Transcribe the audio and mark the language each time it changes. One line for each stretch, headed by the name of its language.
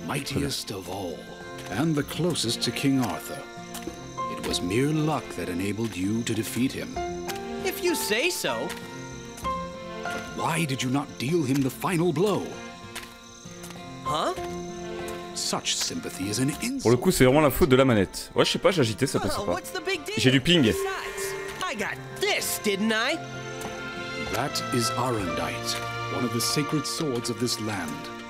English: Mightiest of all and the closest to King Arthur. It was mere luck that enabled you to defeat him. If you say so. Why did you not deal him the final blow? Huh? Such sympathy is an insult.
French: Pour le coup, c'est vraiment la faute de la manette. Ouais, je sais pas, j'agitais, ça passait pas. J'ai du ping.
English: I got this, didn't I? That is Arundite, one of the sacred swords of this land.